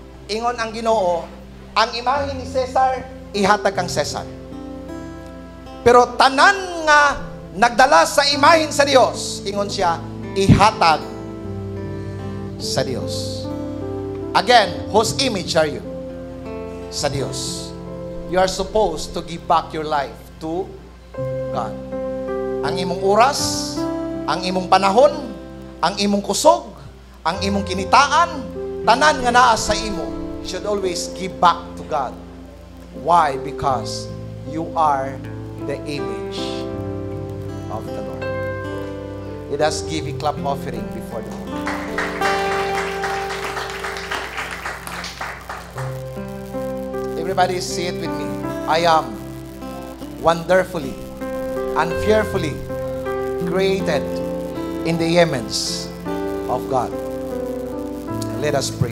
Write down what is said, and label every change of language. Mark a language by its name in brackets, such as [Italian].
[Cebuano] Ingon ang Ginoo, ang imahin ni Caesar, ihatag kang Caesar. Pero tanan nga nagdala sa imahin sa Dios, ingon siya, ihatag sa Dios. [English] Again, whose image are you? [Cebuano] Sa Dios. [English] You are supposed to give back your life to God. [Cebuano] Ang imong oras, ang imong panahon, ang imong kusog, ang imong kinitaan, tanan nga naa sa imo, [English] should always give back to God. Why? Because you are the image of the Lord. Let us give a clap offering before the Lord. Everybody say it with me. I am wonderfully and fearfully created in the image of God. Let us pray.